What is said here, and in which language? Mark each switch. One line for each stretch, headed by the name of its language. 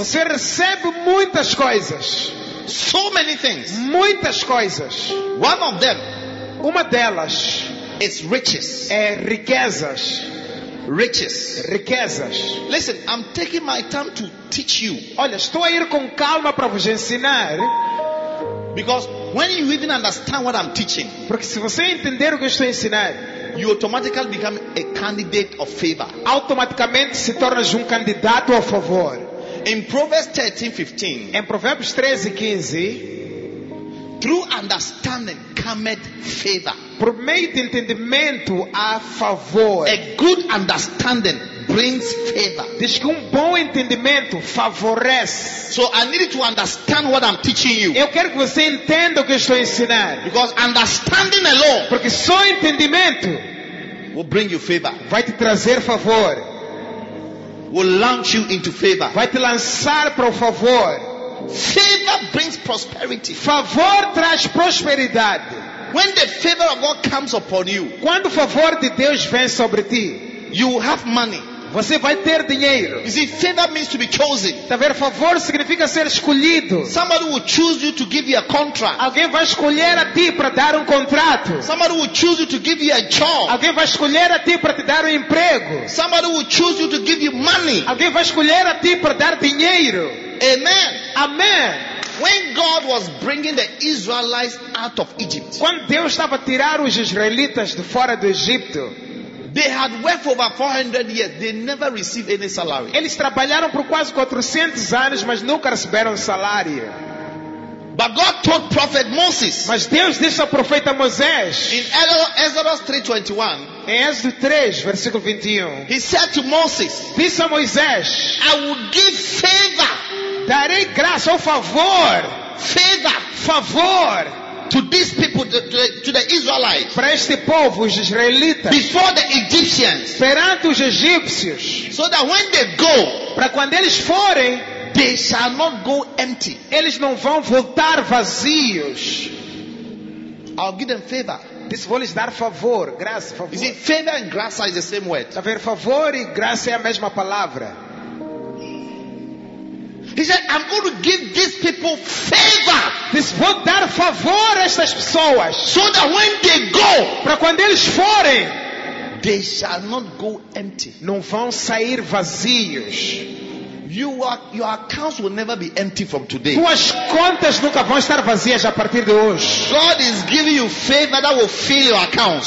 Portuguese: você recebe muitas coisas.
English: So many things.
Portuguese: Muitas coisas.
English: One of them,
Portuguese: uma delas,
English: is riches.
Portuguese: É riquezas.
English: Riches.
Portuguese: Riquezas.
English: Listen, I'm taking my time to teach you.
Portuguese: Olha, estou a ir com calma para vos ensinar.
English: Because when you even understand what I'm teaching,
Portuguese: porque se você entender o que estou a ensinar,
English: you automatically become a candidate of favor.
Portuguese: Automaticamente se tornas candidato ao favor.
English: In Proverbs 13:15,
Portuguese: em Provérbios 13:15,
English: through understanding cometh favor.
Portuguese: Por meio de entendimento há favor.
English: A good understanding brings favor.
Portuguese: Diz que bom entendimento favorece.
English: So I need to understand what I'm teaching you.
Portuguese: Eu quero que você entenda o que estou ensinando.
English: Because understanding alone,
Portuguese: porque só entendimento,
English: will bring you favor.
Portuguese: Vai te trazer favor.
English: Will launch you into favor.
Portuguese: Vai te lançar para o favor.
English: Favor brings prosperity.
Portuguese: Favor traz prosperidade.
English: When the favor of God comes upon you,
Portuguese: quando o favor de Deus vem sobre ti,
English: you will have money.
Portuguese: Você vai ter dinheiro.
English: You see, favor means to be chosen.
Portuguese: Tá vendo? Favor significa ser escolhido.
English: Somebody will choose you to give you a contract.
Portuguese: Alguém vai escolher a ti para dar contrato.
English: Somebody will choose you to give you a job.
Portuguese: Alguém vai escolher a ti para te dar emprego.
English: Somebody will choose you to give you money.
Portuguese: Alguém vai escolher a ti para dar dinheiro.
English: Amen.
Portuguese: Amen.
English: When God was bringing the Israelites out of Egypt,
Portuguese: quando Deus estava a tirar os israelitas de fora do Egito,
English: they had worked for over 400 years. They never received any salary.
Portuguese: Eles trabalharam por quase 400 anos, mas nunca receberam salário.
English: But God told prophet Moses.
Portuguese: Mas Deus disse ao profeta Moisés.
English: In Exodus 3:21.
Portuguese: Em Êxodo 3, versículo 21.
English: He said to Moses.
Portuguese: Disse a Moisés.
English: I will give favor.
Portuguese: Darei graça ou favor.
English: Favor.
Portuguese: Favor.
English: To these people, to the Israelites,
Portuguese: para este povo, os israelitas,
English: before the Egyptians,
Portuguese: perante os egípcios,
English: so that when they go,
Portuguese: para quando eles forem,
English: they shall not go empty.
Portuguese: Eles não vão voltar vazios.
English: I'll give them favor.
Portuguese: This vou lhes dar favor, graça, favor.
English: You see, favor and grace is the same word.
Portuguese: A ver, favor e graça é a mesma palavra.
English: He said, I'm going to give these people favor.
Portuguese: Diz, vou dar favor a estas pessoas.
English: So that when they go,
Portuguese: para quando eles forem,
English: they shall not go empty.
Portuguese: Não vão sair vazios.
English: Your accounts will never be empty from today.
Portuguese: Tuas contas nunca vão estar vazias a partir de hoje.
English: God is giving you favor that will fill your accounts.